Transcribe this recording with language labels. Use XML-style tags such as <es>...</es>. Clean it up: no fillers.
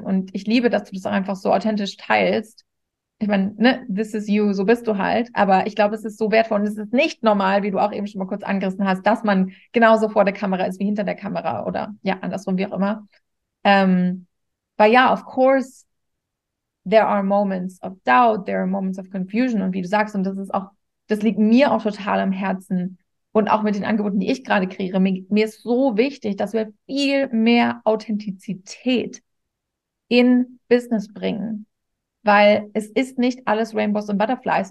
<de>Und ich liebe, dass du das auch einfach so authentisch teilst. Ich meine, ne,</de> <en>this is you,</en> <de>so bist du halt. Aber ich glaube, es ist so wertvoll und es ist nicht normal, wie du auch eben schon mal kurz angerissen hast, dass man genauso vor der Kamera ist wie hinter der Kamera oder ja, andersrum, wie auch immer. Weil</de> <en>of course, there are moments of doubt, there are moments of confusion.</en> <de>Und wie du sagst, und das ist auch, das liegt mir auch total am Herzen und auch mit den Angeboten, die ich gerade kreiere, mir ist so wichtig, dass wir viel mehr Authentizität in Business bringen, weil es ist nicht alles Rainbows und Butterflies.</de>